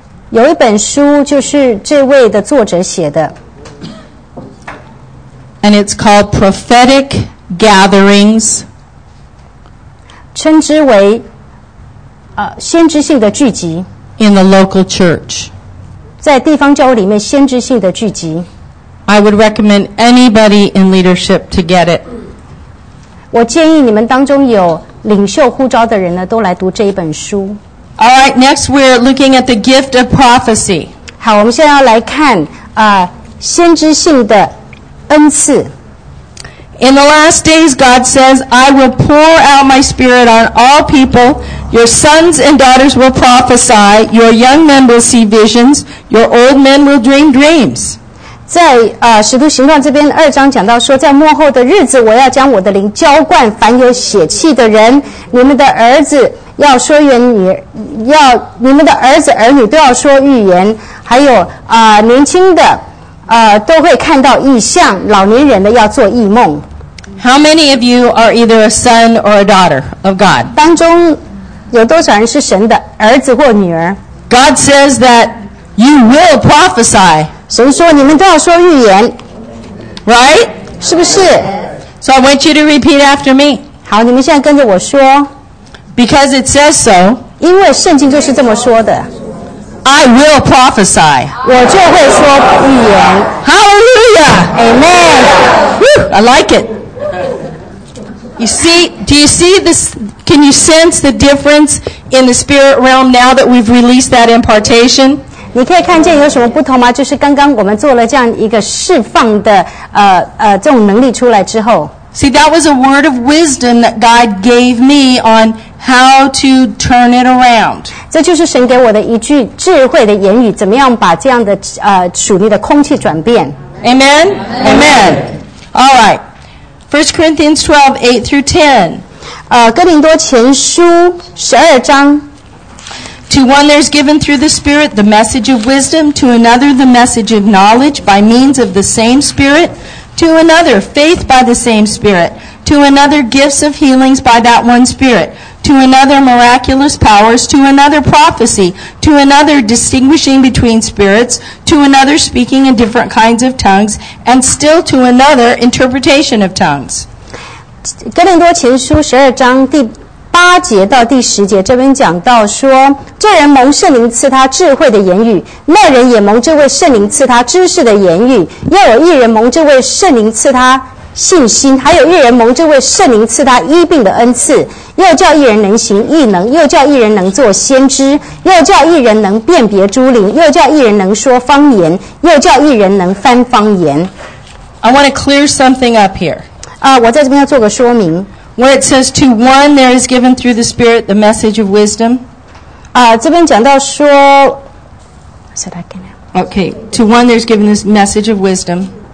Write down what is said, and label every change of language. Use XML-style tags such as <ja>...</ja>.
<zh>有一本书就是这位的作者写的。</zh> <en>And it's called Prophetic Gatherings.</en> <zh>称之为先知性的聚集。</zh> <en>In the local church.</en> <zh>在地方教会里面先知性的聚集。</zh> <en>I would recommend anybody in leadership to get it.</en> <zh>我建议你们当中有领袖呼召的人呢，都来读这一本书。</zh> <en>All right, next we're looking at the gift of prophecy.</en> <zh>好，我们现在要来看先知性的恩赐。</zh> <en>In the last days, God says, I will pour out my spirit on all people. Your sons and daughters will prophesy. Your young men will see visions. Your old men will dream dreams.</en> <zh>在使徒行传这边二章讲到说，在末后的日子，我要将我的灵浇灌凡有血气的人。你们的儿子要说言语，要你们的儿子儿女都要说预言，还有年轻的都会看到异象，老年人的要做异梦。</zh> <en>How many of you are either a son or a daughter of God?</en> <zh>当中有多少人是神的儿子或女儿</zh> <en>？God says that you will prophesy.</en> <zh>神说你们都要说预言</zh> <en>，right?</en> <zh>是不是</zh> <en>？So I want you to repeat after me.</en> <zh>好，你们现在跟着我说。</zh> <en>Because it says so.</en> <zh>因为圣经就是这么说的。</zh> <en>I will prophesy.</en> <zh>我就会说预言。</zh> <en>Hallelujah. Amen. Woo, I like it. You see? Do you see this? Can you sense the difference in the spirit realm now that we've released that impartation?</en> <zh>你可以看见有什么不同吗？就是刚刚我们做了这样一个释放的这种能力出来之后。</zh> <en>See, that was a word of wisdom that God gave me on how to turn it around.</en> <zh>这就是神给我的一句智慧的言语，怎么样把这样的属灵的空气转变。</zh> <en>Amen? Amen. Amen. All right. 1 Corinthians 12, 8 through 10.</en> <zh>哥林多前书12章。</zh> <en>To one there is given through the Spirit the message of wisdom, to another the message of knowledge by means of the same Spirit, to another faith by the same Spirit, to another gifts of healings by that one Spirit, to another miraculous powers, to another prophecy, to another distinguishing between spirits, to another speaking in different kinds of tongues, and still to another interpretation of tongues.</en> <zh>哥林多前书十二章第八节到第十节，这边讲到说，这人蒙圣灵赐他智慧的言语，那人也蒙这位圣灵赐他知识的言语，又有一人蒙这位圣灵赐他信心，还有一人蒙这位圣灵赐他医病的恩赐，又叫一人能行异能，又叫一人能做先知，又叫一人能辨别诸灵，又叫一人能说方言，又叫一人能翻方言。</zh> <en>I want to clear something up here.</en> <zh>我在这边要做个说明。</zh> <en>When it says to one there is given through the Spirit the message of wisdom.</en> <zh>这边讲到说。</zh> <en>Okay, to one there is given this message of wisdom.</en>